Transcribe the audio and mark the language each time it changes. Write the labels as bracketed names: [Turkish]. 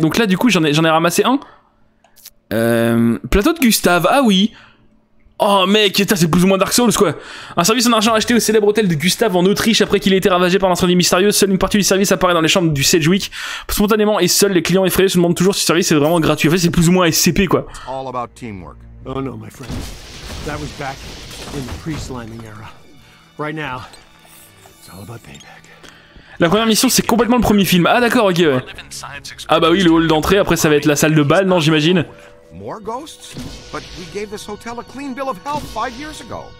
[French] Donc là, du coup, j'en ai ramassé un. Plateau de Gustave, ah oui. Oh mec, ça c'est plus ou moins Dark Souls, quoi. Un service en argent acheté au célèbre hôtel de Gustave en Autriche après qu'il ait été ravagé par un incendie mystérieux. Seule une partie du service apparaît dans les chambres du Sedgwick. Spontanément, et seuls les clients effrayés se demandent toujours si le service est vraiment gratuit. En fait, c'est plus ou moins SCP, quoi. [English] All about teamwork. Oh non, my friend. That was back in the pre-sliming era. Right now. It's all about payback. [French] La première mission, c'est complètement le premier film. Ah d'accord, ok, ouais. Ah bah oui, le hall d'entrée, après ça va être la salle de bal, non, j'imagine. [English] More ghosts? But we gave this hotel a clean bill of health 5 years ago.